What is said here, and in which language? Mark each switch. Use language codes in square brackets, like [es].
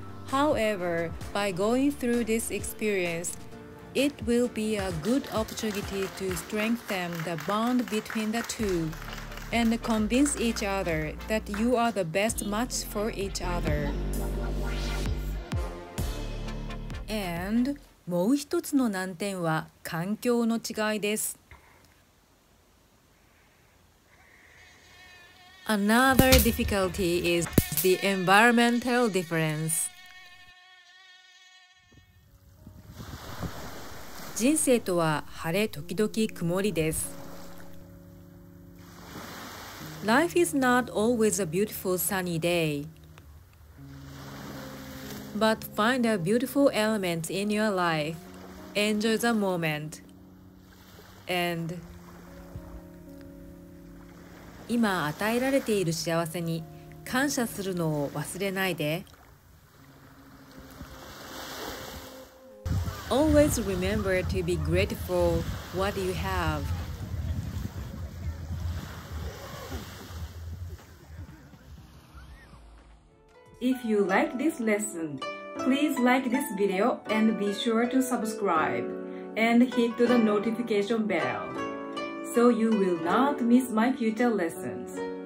[en] However, by going through this experience, it will be a good opportunity to strengthen the bond between the two and convince each other that you are the best match for each other. And... [ja] もう一つの難点は環境の違いです。 [en] Another difficulty is the environmental difference. [ja] 人生とは晴れ時々曇りです。 [en] Life is not always a beautiful sunny day. But find a beautiful element in your life. Enjoy the moment. [ja] And 今与えられている幸せに感謝するのを忘れないで。 [en] Always remember to be grateful what you have. If you like this lesson, please like this video and be sure to subscribe and hit the notification bell so you will not miss my future lessons.